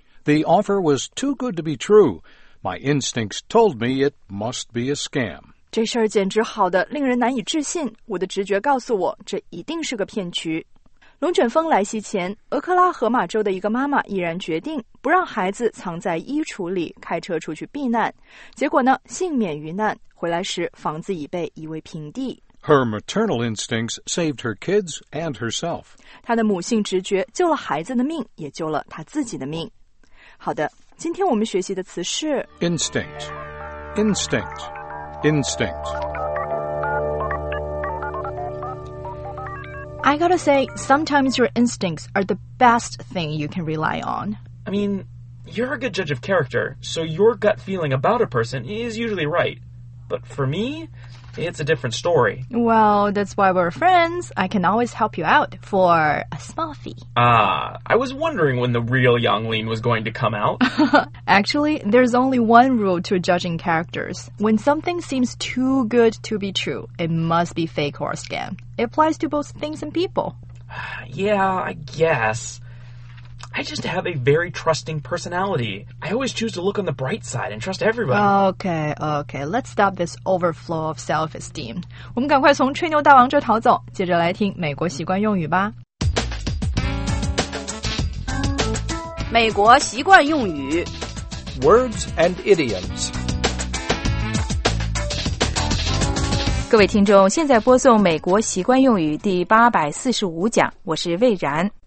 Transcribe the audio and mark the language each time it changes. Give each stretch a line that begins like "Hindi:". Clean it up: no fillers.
English: The offer was too good to be true. My instincts told me it must be a scam.
Chinese: 这事儿简直好的令人难以置信。我的直觉告诉我，这一定是个骗局。龙卷风来袭前，俄克拉荷马州的一个妈妈毅然决定不让孩子藏在衣橱里，开车出去避难。结果呢，幸免于难，回来时房子已被夷为平地。
English: Her maternal instincts saved her kids and herself.
Chinese: 她的母性直觉救了孩子的命，也救了她自己的命。好的，今天我们学习的词是
English: Instinct. Instinct. Instinct. I gotta say, sometimes your instincts are the best thing you can rely on. I mean, you're a good judge of character, so your gut feeling about a person is usually right. But for me, it's a different story. Well, that's why we're friends. I can always help you out for a small fee. I was wondering when the real Yang Lin was going to come out. Actually, there's only one rule to judging characters. When something seems too good to be true, it must be fake or a scam. It applies to both things and people. Yeah, I guess. I just have a very trusting personality. I always choose to look on the bright side and trust everybody. Okay, okay. Let's stop this overflow of self-esteem.
Chinese: 我们赶快从吹牛大王这逃走，接着来听美国习惯用语吧。美国习惯用语。
English: Words and idioms.
Chinese: 各位听众，现在播送美国习惯用语第845讲，我是魏然。